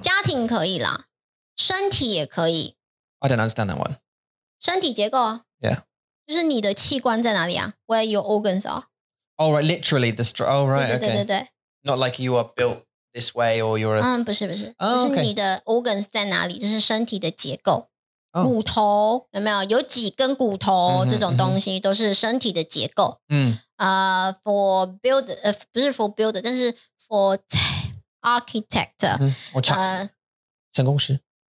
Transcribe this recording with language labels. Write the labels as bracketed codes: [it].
[zh] 家庭可以啦，身体也可以。 [en] I don't understand that one. [zh] 身体结构啊。 [en] Yeah. [zh] 就是你的器官在哪里啊？ [en] Where your organs are. Oh, right, literally the structure. Oh, right, [zh] 对对对对对 [en] okay. Not like you are built this way or you're a... [zh] 不是不是。就是你的 organs 在哪里，就是身体的结构。骨头有没有有几根骨头这种东西都是身体的结构。 [en] For build, [zh] 不是 [en] for builder, [zh] 但是 [en] for architect, [zh] 成功师。